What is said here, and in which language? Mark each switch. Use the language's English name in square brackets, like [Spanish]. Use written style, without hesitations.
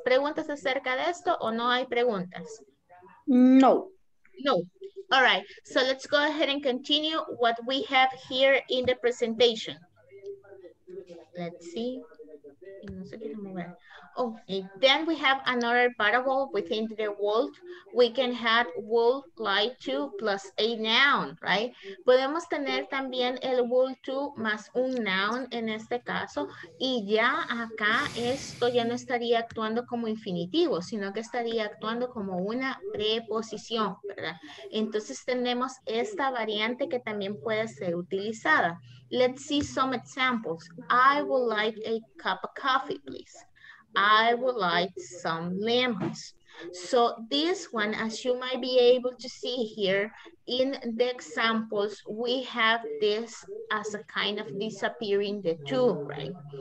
[Spanish] ¿Preguntas acerca de esto o no hay preguntas? No. [English] No. All right. So let's go ahead and continue what we have here in the presentation. Let's see. Oh, and then we have another variable within the world. We can have would like to plus a noun, right? [Spanish] Podemos tener también el would to más un noun en este caso. Y ya acá esto ya no estaría actuando como infinitivo, sino que estaría actuando como una preposición, ¿verdad? Entonces tenemos esta variante que también puede ser utilizada. [English] Let's see some examples. I would like a cup of coffee, please. I would like some lemons. So this one, as you might be able to see here, in the examples, we have this as a kind of disappearing the to, right?